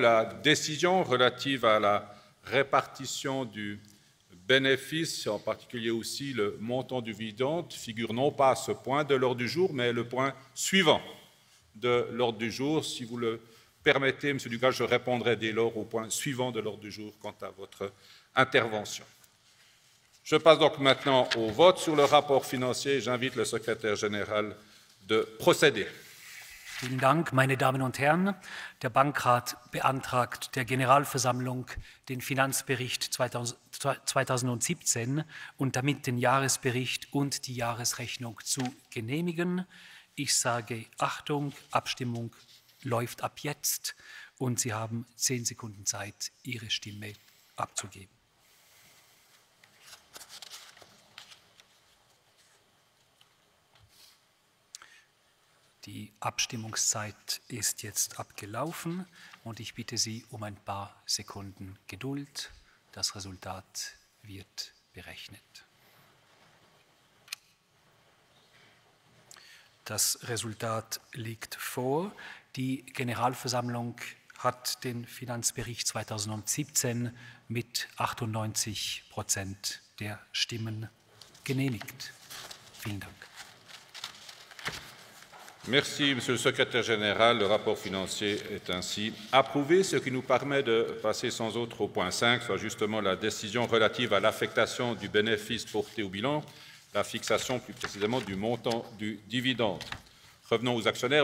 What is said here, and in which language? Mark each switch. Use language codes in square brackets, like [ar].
[fr] La décision relative à la répartition du bénéfice, en particulier aussi le montant du dividende, figure non pas ce point de l'ordre du jour, mais le point suivant de l'ordre du jour. Si vous le permettez, M. Dugas, je répondrai dès lors au point suivant de l'ordre du jour quant à votre intervention. Je passe donc maintenant au vote sur le rapport financier. J'invite le secrétaire général de procéder. [de] Vielen Dank, meine Damen und Herren. Der Bankrat beantragt der Generalversammlung, den Finanzbericht 2017 und damit den Jahresbericht und die Jahresrechnung zu genehmigen. Ich sage Achtung, Abstimmung läuft ab jetzt und Sie haben 10 Sekunden Zeit, Ihre Stimme abzugeben. Die Abstimmungszeit ist jetzt abgelaufen und ich bitte Sie um ein paar Sekunden Geduld. Das Resultat wird berechnet. Das Resultat liegt vor. Die Generalversammlung hat den Finanzbericht 2017 mit 98% der Stimmen genehmigt. Vielen Dank. [fr] Merci, Monsieur le Secrétaire Général. Le rapport financier est ainsi approuvé, ce qui nous permet de passer sans autre au point 5, soit justement la décision relative à l'affectation du bénéfice porté au bilan, la fixation plus précisément du montant du dividende. Revenons aux actionnaires.